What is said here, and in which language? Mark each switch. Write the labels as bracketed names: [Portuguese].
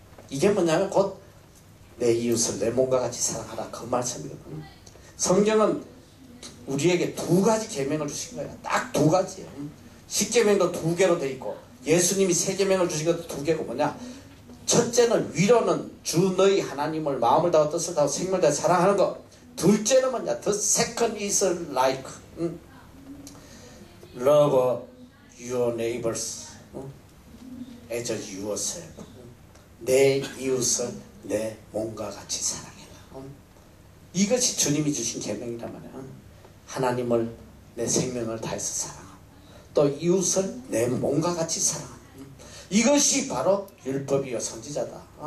[Korean] 이게 뭐냐면 곧 내 이웃을 내 몸과 같이 사랑하라 그 말씀이거든. 성경은 우리에게 두 가지 계명을 주신 거야. 딱 두 가지야. 십계명도 두 개로 돼 있고 예수님이 세 계명을 주신 것도 두 개고 뭐냐 첫째는 위로는 주 너희 하나님을 마음을 다하고 뜻을 다하고 생명을 다하고 사랑하는 것. 둘째는 뭐냐 [English] The second is like love your neighbors as yourself. [Korean] 내 이웃을 내 몸과 같이 사랑해라. 이것이 주님이 주신 계명이란 말이야. 하나님을 내 생명을 다해서 사랑하고 또 이웃을 내 몸과 같이 사랑하고 이것이 바로 율법이요 선지자다.